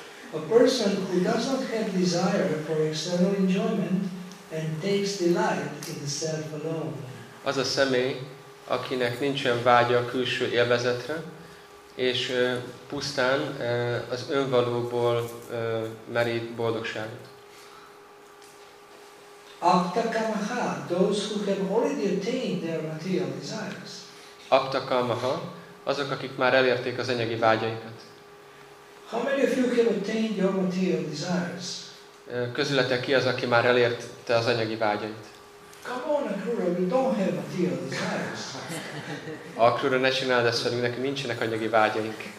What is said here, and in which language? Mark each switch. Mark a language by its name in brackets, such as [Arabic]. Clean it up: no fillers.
[English] A person who does not have desire for external enjoyment and takes delight in the self alone. [Hungarian] Az a személy, akinek nincsen vágya a külső élvezetre, és pusztán az önvalóból merít boldogságot. [English] Aptakamaha, those who have already attained their material desires. [Hungarian] Aptakamaha, azok, akik már elérték az anyagi vágyaikat. [English] How many of you have attained your material desires? [Hungarian] Közületek ki az, aki már elérte az anyagi vágyait? [English] Come on, Akrura, we don't have material desires. [Hungarian] Akrura, ne csináld ezt velünk, nekünk nincsenek anyagi vágyaink.